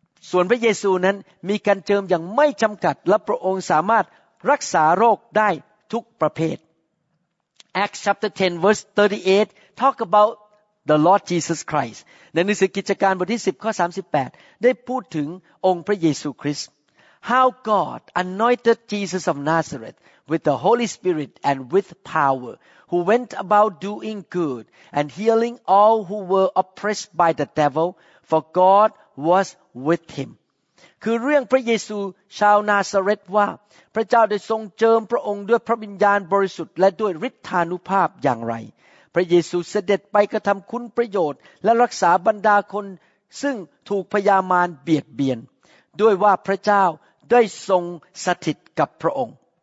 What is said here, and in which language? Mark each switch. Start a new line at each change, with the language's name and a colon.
Thai: ส่วนพระเยซูนั้นมีการเจิมอย่างไม่จำกัดและพระองค์สามารถรักษาโรคได้ทุกประเภท
English: Acts chapter 10 verse 38 talk about the Lord Jesus Christ.
Thai: ในหนังสือกิจการบทที่10ข้อ38ได้พูดถึงองค์พระเยซูคริสต์
English: How God anointed Jesus of Nazareth. With the Holy Spirit and with power, who went about doing good and healing all who were oppressed by the devil, for God was with him.
Thai: คือเรื่องพระเยซูชาวนาซาเร็ธว่าพระเจ้าได้ทรงเจิมพระองค์ด้วยพระวิญญาณบริสุทธิ์และด้วยฤทธานุภาพอย่างไรพระเยซูเสด็จไปกระทำคุณประโยชน์และรักษาบรรดาคนซึ่งถูกพยามารเบียดเบียนด้วยว่าพระเจ้าได้ทรงสถิตกับพระองค์